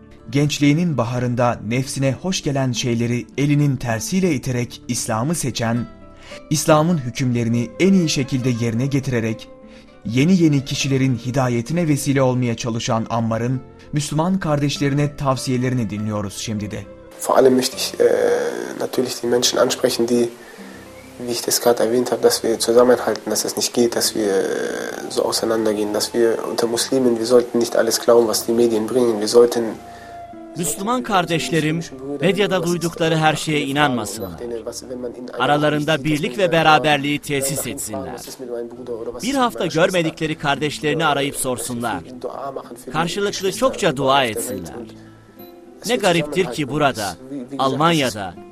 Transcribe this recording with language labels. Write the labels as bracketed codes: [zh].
[tr] Gençliğinin baharında nefsine hoş gelen şeyleri elinin tersiyle iterek İslam'ı seçen, İslam'ın hükümlerini en iyi şekilde yerine getirerek, yeni yeni kişilerin hidayetine vesile olmaya çalışan Ammar'ın Müslüman kardeşlerine tavsiyelerini dinliyoruz şimdi de. [de] Vor allem möchte ich natürlich die Menschen ansprechen, die, wie ich das gerade erwähnt habe, dass wir zusammenhalten, dass es nicht geht, dass wir so auseinandergehen, dass wir unter Muslimen, wir sollten nicht alles glauben, was die Medien bringen, wir sollten [tr] Müslüman kardeşlerim, medyada duydukları her şeye inanmasınlar. Aralarında birlik ve beraberliği tesis etsinler. Bir hafta görmedikleri kardeşlerini arayıp sorsunlar. Karşılıklı çokça dua etsinler. Ne gariptir ki burada, Almanya'da,